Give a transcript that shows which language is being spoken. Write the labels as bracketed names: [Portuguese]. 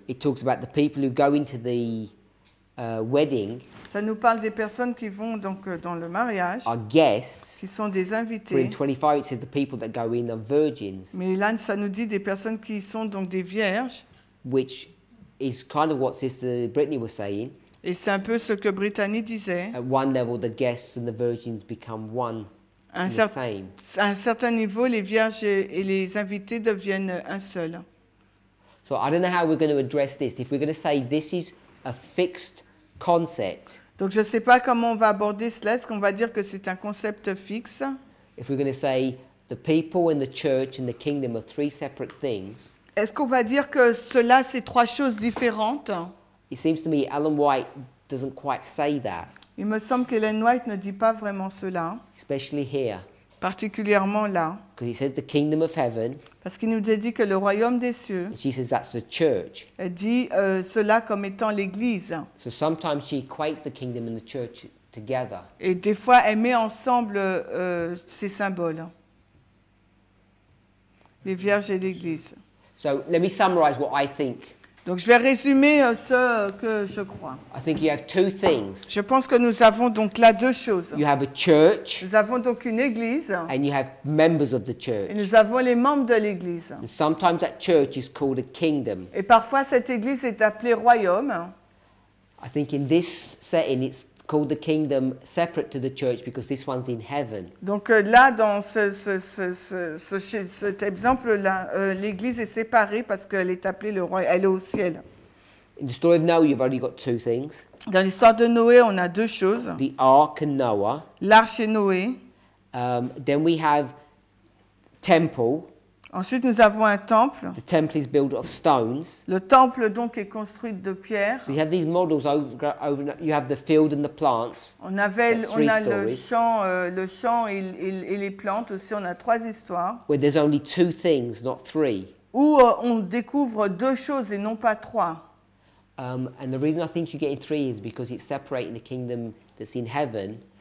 [English] It talks about the people who go into the wedding. [French] Ça nous parle des personnes qui vont donc dans le mariage. [English] Are guests. [French] Qui sont des invités. [English] But in 25 it says the people that go in are virgins. [French] Mais là ça nous dit des personnes qui sont donc des vierges. [English] Which is kind of what Sister Brittany was saying. [French] Et c'est un peu ce que Brittany disait. [English] At one level, the guests and the virgins become one and the same. [French] À un certain niveau, les vierges et les invités deviennent un seul. [English] So I don't know how we're going to address this. If we're going to say this is a fixed concept. [French] Donc je ne sais pas comment on va aborder cela. Est-ce qu'on va dire que c'est un concept fixe? [English] If we're going to say the people and the church and the kingdom are three separate things. [French] Est-ce qu'on va dire que cela c'est trois choses différentes? [English] It seems to me Ellen White doesn't quite say that. [French] Il me semble qu'Ellen White ne dit pas vraiment cela. [English] Especially here. [French] Particulièrement là. [English] Because he says the kingdom of heaven. [French] Parce qu'il nous a dit que le royaume des cieux. [English] She says that's the church. [French] Elle dit cela comme étant l'église. [English] So sometimes she equates the kingdom and the church together. [French] Et des fois elle met ensemble ces symboles. Les vierges et l'église. [English] So let me summarize what I think. [French] Donc je vais résumer ce que je crois. [English] I think you have two things. [French] Je pense que nous avons donc là deux choses. [English] You have a church. [French] Nous avons donc une église. [English] And you have members of the church. [French] Et nous avons les membres de l'église. [English] And sometimes that church is called a kingdom. [French] Et parfois cette église est appelée royaume. [English] I think in this setting it's called the kingdom separate to the church because this one's in heaven. [French] Donc là dans cet exemple là l'église est séparée parce qu'elle est appelée le roi, elle est au ciel. [English] In the story of Noah you've already got two things. [French] Dans l'histoire de Noé on a deux choses. [English] The ark and Noah. [French] L'arche et Noé. [English] Then we have temple. [French] Ensuite nous avons un temple. [English] The temple is built of stones. [French] Le temple donc est construit de pierres. [English] So you have these models over you have the field and the plants. [French] On a le champ et les plantes aussi, on a trois histoires. [English] Where there's only two things, not three. [French] Où on découvre deux choses et non pas trois. [English] And the reason I think you get in three is because it's separating the kingdom that's in heaven.